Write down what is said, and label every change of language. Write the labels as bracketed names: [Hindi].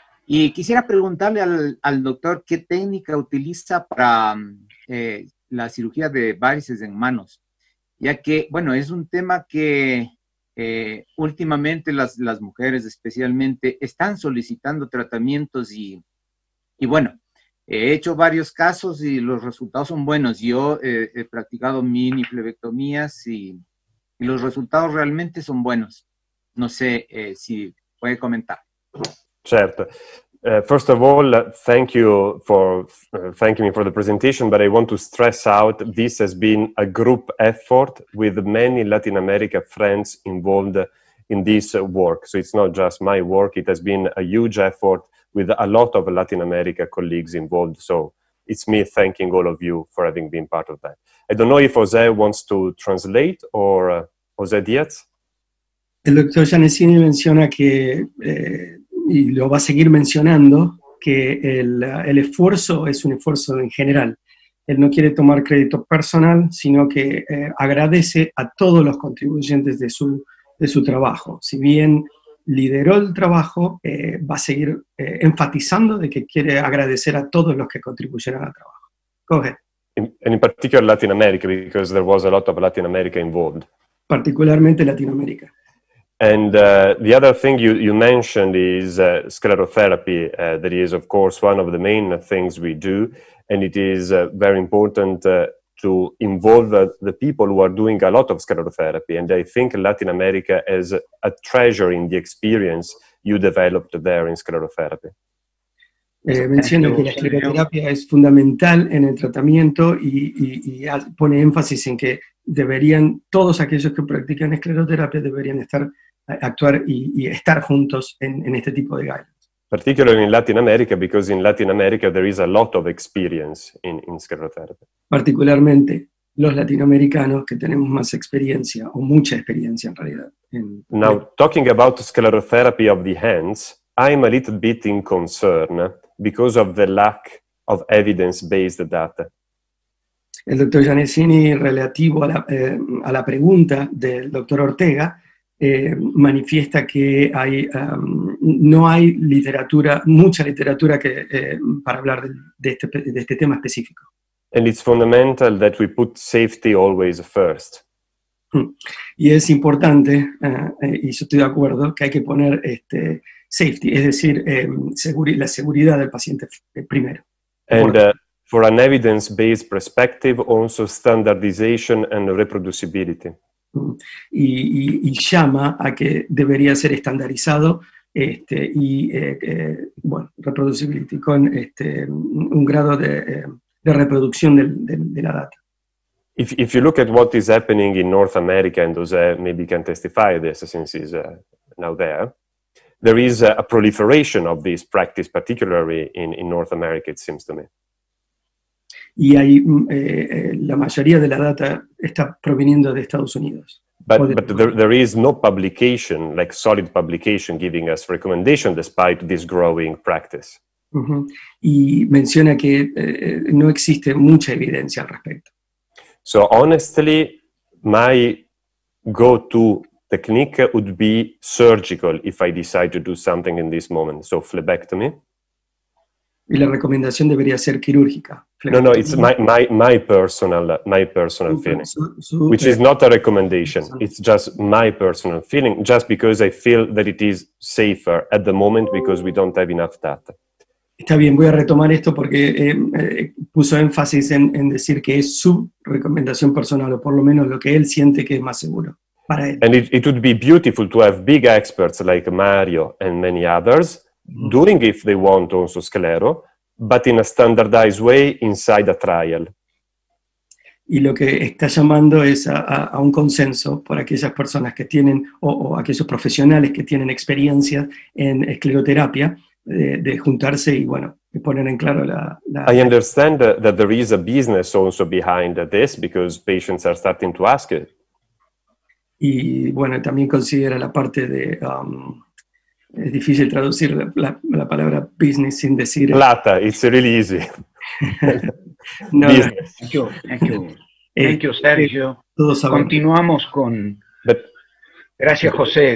[Spanish] Y quisiera preguntarle al doctor qué técnica utiliza para la cirugía de varices en manos, ya que, bueno, es un tema que últimamente las mujeres especialmente están solicitando tratamientos y bueno, he hecho varios casos y los resultados son buenos. Yo he practicado miniflebectomías y los resultados realmente son buenos. No sé si puede comentar. [Italian] Certo. [English] First of all, thank you for thanking me for the presentation, but I want to stress out this has been a group effort with many Latin America friends involved in this work. So it's not just my work, it has been a huge effort with a lot of Latin America colleagues involved. So it's me thanking all of you for having been part of that. I don't know if Jose wants to translate or Jose Diaz. [Spanish] El doctor Giannesini menciona que, y lo va a seguir mencionando, que el esfuerzo es un esfuerzo en general. Él no quiere tomar crédito personal, sino que agradece a todos los contribuyentes de su trabajo. Si bien lideró el trabajo, va a seguir enfatizando de que quiere agradecer a todos los que contribuyeron al trabajo. [English] Go ahead. In particular Latin America, because there was a lot of Latin America involved. [Spanish] Particularmente Latinoamérica. [English] And the other thing you mentioned is sclerotherapy, that is, of course, one of the main things we do. And it is very important to involve the people who are doing a lot of sclerotherapy. And I think Latin America has a treasure in the experience you developed there in sclerotherapy. [Spanish] Menciono que la escleroterapia es fundamental en el tratamiento y pone énfasis en que deberían, todos aquellos que practican escleroterapia deberían estar actuar y estar juntos en este tipo de guidelines. [English] Particularly in Latin America, because in Latin America there is a lot of experience in sclerotherapy. [Spanish] Particularmente los latinoamericanos que tenemos más experiencia, o mucha experiencia en realidad. [English] Now, talking about sclerotherapy of the hands, I'm a little bit in concern because of the lack of evidence-based data. [Spanish] El doctor Giannesini, relativo a la pregunta del doctor Ortega, manifiesta que hay no hay literatura, mucha literatura que para hablar de este tema específico. [English] And it's fundamental that we put safety always first. [Spanish] Y es importante, y yo estoy de acuerdo, que hay que poner safety, es decir, la seguridad del paciente primero. [English] And for an evidence-based perspective, also standardization and reproducibility. [Spanish] Y llama a que debería ser estandarizado bueno, reproducibility, con un grado de reproducción de la data. [English] If you look at what is happening in North America, and Jose maybe can testify this since he's now there, there is a proliferation of this practice, particularly in North America, it seems to me. [Spanish] Y hay la mayoría de la data está proveniendo de Estados Unidos. [English] But there is no publication, like solid publication, giving us recommendation despite this growing practice. [Spanish] Y menciona que no existe mucha evidencia al respecto. [English] So honestly, my go-to technique would be surgical if I decide to do something in this moment. So phlebectomy. [Spanish] Y la recomendación debería ser quirúrgica. [English] No, no, it's my personal feeling, which is not a recommendation. It's just my personal feeling, just because I feel that it is safer at the moment because we don't have enough data. [Spanish] Está bien, voy a retomar esto porque puso énfasis en decir que es su recomendación personal, o por lo menos lo que él siente que es más seguro para él. [English] And it would be beautiful to have big experts like Mario and many others doing, if they want, also sclero, but in a standardized way inside a trial. [Spanish] Y lo que está llamando es a un consenso por aquellas personas que tienen, o aquellos profesionales que tienen experiencia en escleroterapia, de juntarse y, bueno, de poner en claro la... [English] I understand that there is a business also behind this, because patients are starting to ask it. [Spanish] Y, bueno, también considera la parte de... Es difícil traducir la palabra business sin decir... [English] Plata, it's really easy. No, thank you, Sergio. [Spanish] Todos continuamos con... Gracias, José.